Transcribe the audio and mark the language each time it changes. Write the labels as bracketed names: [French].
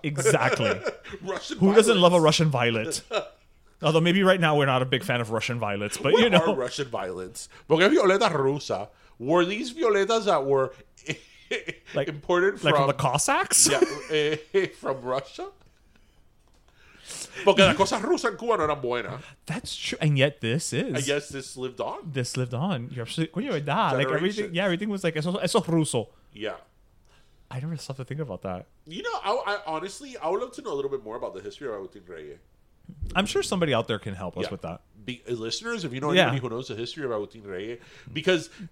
[English] Exactly. Russian Who violets. Doesn't love a Russian violet? Although maybe right now we're not a big fan of Russian violets, but what you know. What are Russian violets? [Spanish] Porque Violeta Rusa, [English] were these violetas that were like, imported from... Like from the Cossacks? Yeah, from Russia? [Spanish] Porque las cosas rusas en Cuba no eran buenas. [English] That's true. And yet this is. I guess this lived on. This lived on. You're absolutely... [Spanish] Coño, verdad. [English] Like everything, yeah, everything was like, [Spanish] eso ruso. [English] Yeah. I never stopped to think about that. You know, I honestly would love to know a little bit more about the history of Agustin Reyes. I'm sure somebody out there can help us with that. Listeners, if you know anybody who knows the history of Agustin Reyes, because